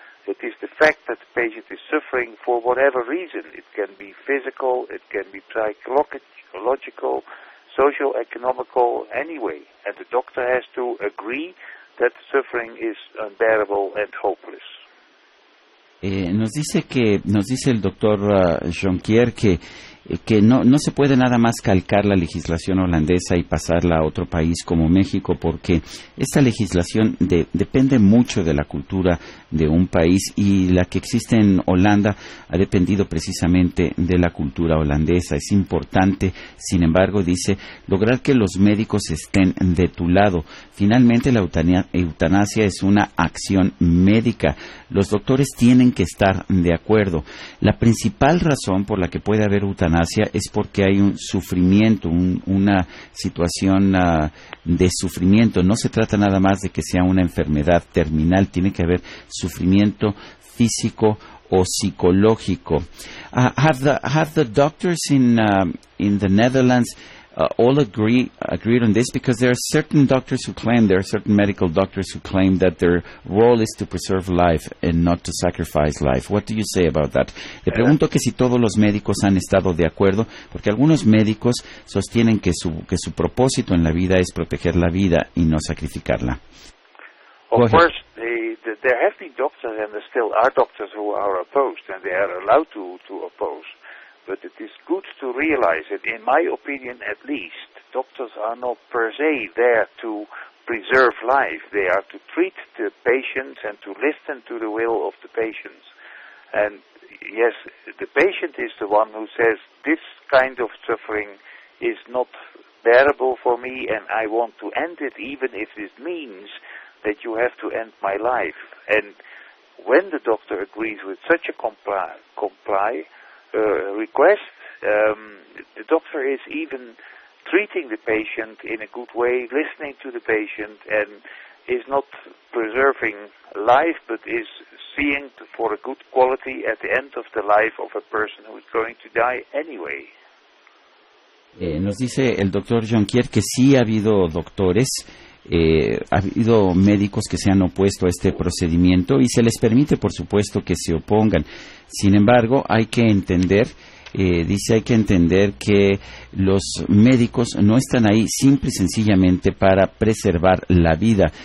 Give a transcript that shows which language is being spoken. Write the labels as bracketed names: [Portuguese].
[English] It is the fact that the patient is suffering for whatever reason. It can be physical, it can be psychological, social, economical, anyway. And the doctor has to agree that suffering is unbearable and hopeless. [Spanish] Nos dice el doctor Jonquier que no se puede nada más calcar la legislación holandesa y pasarla a otro país como México, porque esta legislación depende mucho de la cultura de un país, y la que existe en Holanda ha dependido precisamente de la cultura holandesa. Es importante, sin embargo, dice, lograr que los médicos estén de tu lado. Finalmente, la eutanasia es una acción médica. Los doctores tienen que estar de acuerdo. La principal razón por la que puede haber eutanasia es porque hay un sufrimiento, una situación de sufrimiento. No se trata nada más de que sea una enfermedad terminal. Tiene que haber sufrimiento físico o psicológico. [English] Have the doctors in the Netherlands all agreed on this? Because there are certain doctors who claim, there are certain medical doctors who claim that their role is to preserve life and not to sacrifice life. What do you say about that? [Spanish] Le pregunto que si todos los médicos han estado de acuerdo, porque algunos médicos sostienen que su propósito en la vida es proteger la vida y no sacrificarla. [English] Of course, there have been doctors, and there still are doctors who are opposed, and they are allowed to oppose. But it is good to realize that, in my opinion at least, doctors are not per se there to preserve life. They are to treat the patients and to listen to the will of the patients. And yes, the patient is the one who says, this kind of suffering is not bearable for me, and I want to end it, even if it means that you have to end my life. And when the doctor agrees with such a request, the doctor is even treating the patient in a good way, listening to the patient, and is not preserving life, but is seeing for a good quality at the end of the life of a person who is going to die anyway. [Spanish] Nos dice el doctor Jonquier que sí ha habido doctores, ha habido médicos que se han opuesto a este procedimiento, y se les permite, por supuesto, que se opongan. Sin embargo, hay que entender, hay que entender que los médicos no están ahí simple y sencillamente para preservar la vida.